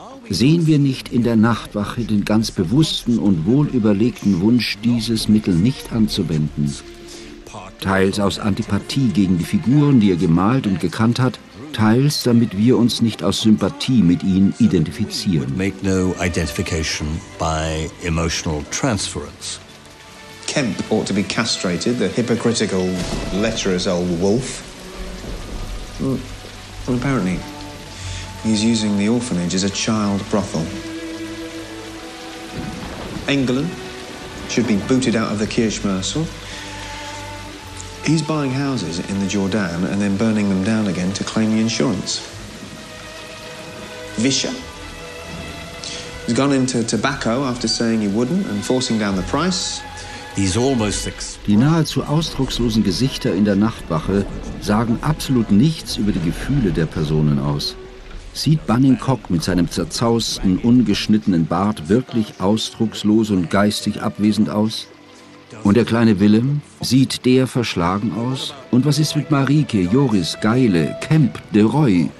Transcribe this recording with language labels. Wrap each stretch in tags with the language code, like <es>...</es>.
<de>Sehen wir nicht in der Nachtwache den ganz bewussten und wohlüberlegten Wunsch, dieses Mittel nicht anzuwenden? Teils aus Antipathie gegen die Figuren, die er gemalt und gekannt hat, teils damit wir uns nicht aus Sympathie mit ihnen identifizieren.</de> <en>Make no identification by emotional transference. Kemp ought to be castrated, the hypocritical, lecherous old wolf. Well, apparently, he's using the orphanage as a child brothel. Engelen should be booted out of the Kirchmersal. He's buying houses in the Jordan and then burning them down again to claim the insurance. Vischer. He's gone into tobacco after saying he wouldn't and forcing down the price. He's almost six.</en> <de>Die nahezu ausdruckslosen Gesichter in der Nachtwache sagen absolut nichts über die Gefühle der Personen aus. Sieht Bunningcock mit seinem zerzausten, ungeschnittenen Bart wirklich ausdruckslos und geistig abwesend aus? Und der kleine Willem, sieht der verschlagen aus? Und was ist mit Marieke, Joris, Geile, Kemp, De Roy?</de>